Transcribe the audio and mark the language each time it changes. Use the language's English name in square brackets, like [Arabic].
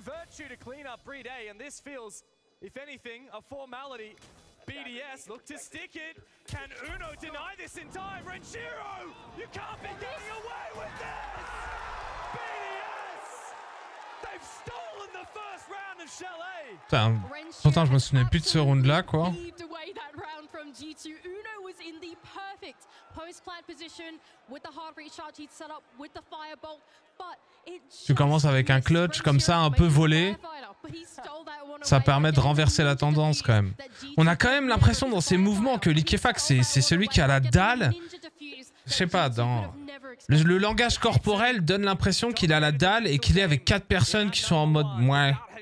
[English] Virtue to clean up Breed A, and this feels, if anything, a formality. BDS look to stick it. Can Uno deny this in time? Renshiro, you can't be getting away with this! BDS! They've stolen the first round of Shell A! [French] Pourtant, je me souvenais plus de ce round-là, quoi. [English] G2, Uno was in the perfect post-plant position with the hard reach charge he'd set up with the firebolt, but it [French] tu commences avec un clutch comme ça, un peu volé. Ça permet de renverser la tendance quand même. On a quand même l'impression dans ses mouvements que Liquifax, c'est celui qui a la dalle. Je sais pas, dans le langage corporel donne l'impression qu'il a la dalle et qu'il est avec 4 personnes qui sont en mode mouais.